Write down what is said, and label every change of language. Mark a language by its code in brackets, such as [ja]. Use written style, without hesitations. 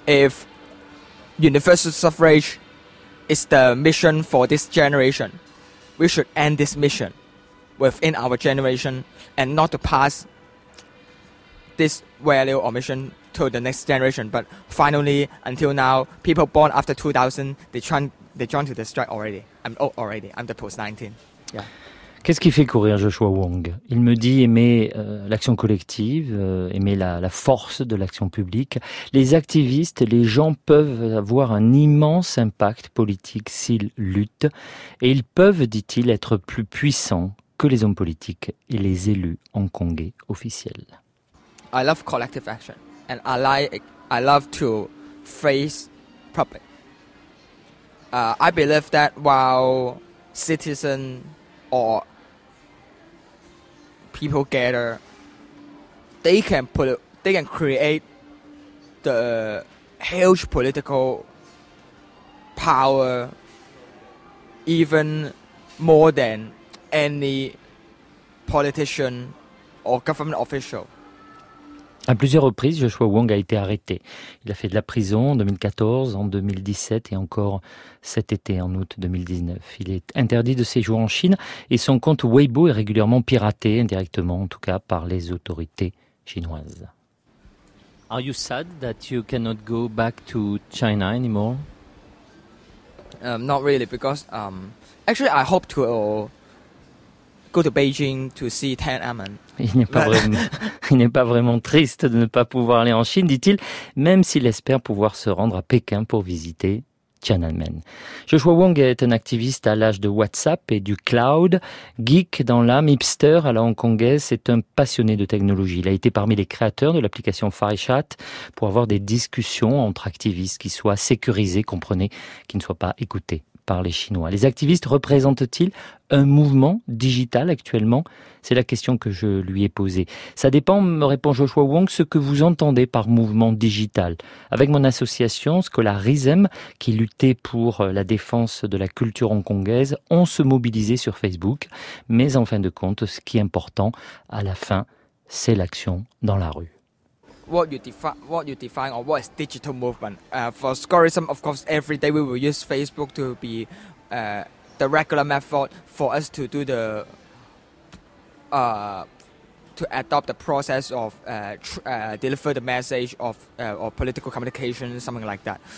[en] If universal suffrage is the mission for this generation, we should end this mission within our generation and not to pass this value or mission to the next generation. But finally, until now, people born after 2000, they joined to the strike already. I'm old already. I'm the post-19. Yeah. [fr] Qu'est-ce qui fait courir Joshua Wong? Il me dit aimer l'action collective, aimer la force de l'action publique. Les activistes, les gens peuvent avoir un immense impact politique s'ils luttent. Et ils peuvent, dit-il, être plus puissants que les hommes politiques et les élus hongkongais officiels. [en] I love collective action. And I love to face public. I believe that while citizens or people gather, they can create the huge political power even more than any politician or government official. [fr] À plusieurs reprises, Joshua Wong a été arrêté. Il a fait de la prison en 2014, en 2017 et encore cet été, en août 2019. Il est interdit de séjourner en Chine et son compte Weibo est régulièrement piraté, indirectement en tout cas, par les autorités chinoises. [en] Are you sad that you cannot go back to China anymore? Not really, because actually I hope to go to Beijing to see Tiananmen. [fr] Il n'est pas vraiment triste de ne pas pouvoir aller en Chine, dit-il, même s'il espère pouvoir se rendre à Pékin pour visiter Tiananmen. Joshua Wong est un activiste à l'âge de WhatsApp et du cloud, geek dans l'âme, hipster à la hongkongaise, c'est un passionné de technologie. Il a été parmi les créateurs de l'application FireChat pour avoir des discussions entre activistes qui soient sécurisés, comprenez, qui ne soient pas écoutés par les Chinois. Les activistes représentent-ils un mouvement digital actuellement? C'est la question que je lui ai posée. Ça dépend, me répond Joshua Wong, ce que vous entendez par mouvement digital. Avec mon association Scholarism, qui luttait pour la défense de la culture hongkongaise, on se mobilisait sur Facebook. Mais en fin de compte, ce qui est important, à la fin, c'est l'action dans la rue. [en] What you define or what is digital movement? For Scholarism, of course, every day we will use Facebook to be the regular method for us to do the to adopt the process of deliver the message of or political communication, something like that.